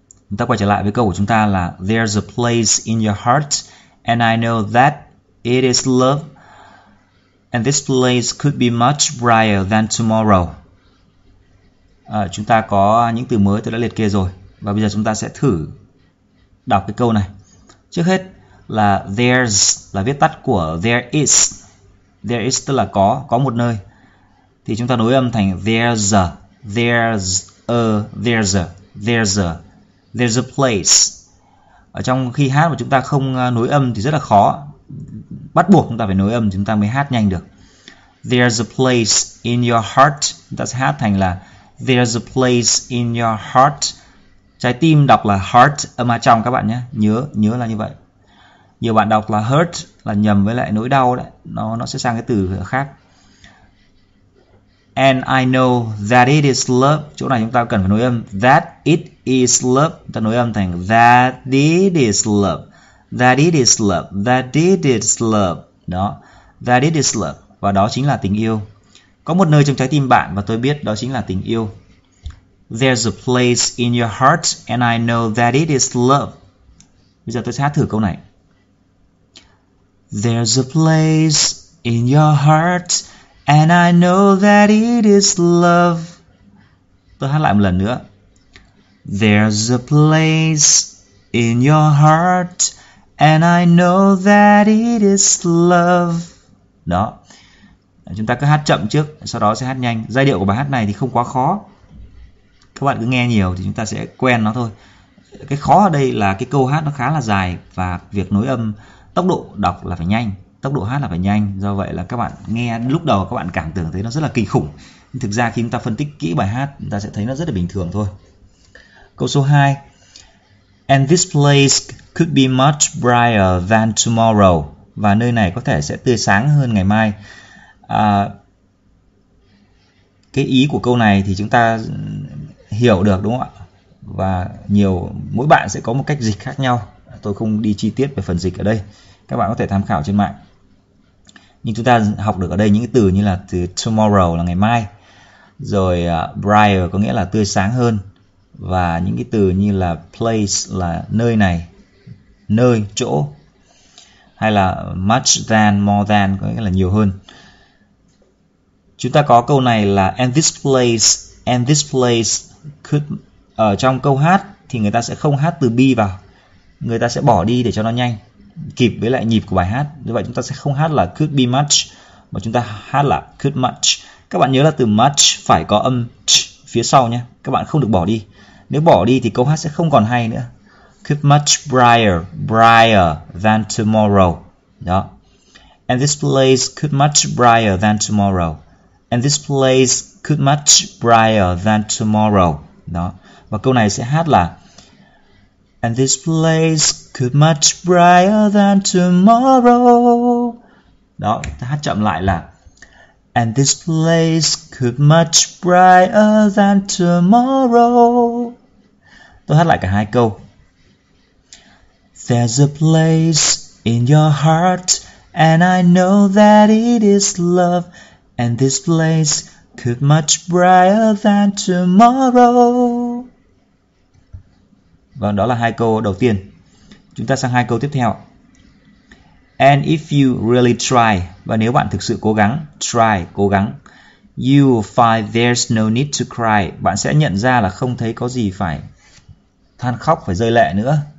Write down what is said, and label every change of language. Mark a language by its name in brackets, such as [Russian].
[Vietnamese] Chúng ta quay trở lại với câu của chúng ta là [English] There's a place in your heart and I know that it is love and this place could be much brighter than tomorrow. [Vietnamese] Chúng ta có những từ mới tôi đã liệt kê rồi. Và bây giờ chúng ta sẽ thử đọc cái câu này. Trước hết là there's là viết tắt của there is. [English] There is [Vietnamese] tức là có một nơi. Thì chúng ta nối âm thành [English] there's a, there's a, there's a, there's a, there's a place. [Vietnamese] Ở trong khi hát mà chúng ta không nối âm thì rất là khó. Bắt buộc chúng ta phải nối âm thì chúng ta mới hát nhanh được. [English] There's a place in your heart. [Vietnamese] Chúng ta sẽ hát thành là [English] there's a place in your heart. [Vietnamese] Trái tim đọc là heart, âm a trong các bạn nhé. Nhớ là như vậy. Nhiều bạn đọc là hurt là nhầm với lại nỗi đau đấy. Nó sẽ sang cái từ khác. [English] And I know that it is love. [Vietnamese] Chỗ này chúng ta cần phải nối âm. [English] That it is love. [Vietnamese] Ta nối âm thành [English] that it is love. That it is love. That it is love. Đó. That it is love. [Vietnamese] Và đó chính là tình yêu. Có một nơi trong trái tim bạn và tôi biết đó chính là tình yêu. [English] There's a place in your heart and I know that it is love. [Vietnamese] Bây giờ tôi sẽ hát thử câu này. [English] There's a place in your heart and I know that it is love. [Vietnamese] Tôi hát lại một lần nữa. [English] There's a place in your heart and I know that it is love. [Vietnamese] Đó. Chúng ta cứ hát chậm trước, sau đó sẽ hát nhanh. Giai điệu của bài hát này thì không quá khó. Các bạn cứ nghe nhiều thì chúng ta sẽ quen nó thôi. Cái khó ở đây là cái câu hát nó khá là dài và việc nối âm tốc độ đọc là phải nhanh, tốc độ hát là phải nhanh. Do vậy là các bạn nghe lúc đầu các bạn cảm tưởng thấy nó rất là kinh khủng. Nhưng thực ra khi chúng ta phân tích kỹ bài hát, chúng ta sẽ thấy nó rất là bình thường thôi. Câu số 2. [English] And this place could be much brighter than tomorrow. [Vietnamese] Và nơi này có thể sẽ tươi sáng hơn ngày mai. Cái ý của câu này thì chúng ta hiểu được đúng không ạ? Và nhiều mỗi bạn sẽ có một cách dịch khác nhau. Tôi không đi chi tiết về phần dịch ở đây. Các bạn có thể tham khảo trên mạng. Nhưng chúng ta học được ở đây những cái từ như là từ tomorrow là ngày mai. Rồi brighter có nghĩa là tươi sáng hơn. Và những cái từ như là place là nơi này, nơi, chỗ. Hay là much than, more than có nghĩa là nhiều hơn. Chúng ta có câu này là [English] and this place could. [Vietnamese] Ở trong câu hát thì người ta sẽ không hát từ be vào. Người ta sẽ bỏ đi để cho nó nhanh, kịp với lại nhịp của bài hát. Như vậy chúng ta sẽ không hát là [English] could be much, [Vietnamese] mà chúng ta hát là [English] could much. [Vietnamese] Các bạn nhớ là từ much phải có âm ch phía sau nhé. Các bạn không được bỏ đi. Nếu bỏ đi thì câu hát sẽ không còn hay nữa. [English] Could much brighter, brighter than tomorrow. Đó. And this place could much brighter than tomorrow. And this place could much brighter than tomorrow. Đó. [Vietnamese] Và câu này sẽ hát là [English] and this place could much brighter than tomorrow. Đó, ta hát chậm lại là and this place could much brighter than tomorrow. Tôi hát lại cả hai câu. There's a place in your heart and I know that it is love. And this place could much brighter than tomorrow. [Vietnamese] Vâng, đó là hai câu đầu tiên. Chúng ta sang hai câu tiếp theo. [English] And if you really try, [Vietnamese] và nếu bạn thực sự cố gắng, [English] try, cố gắng, you will find there's no need to cry. [Vietnamese] Bạn sẽ nhận ra là không thấy có gì phải than khóc, phải rơi lệ nữa.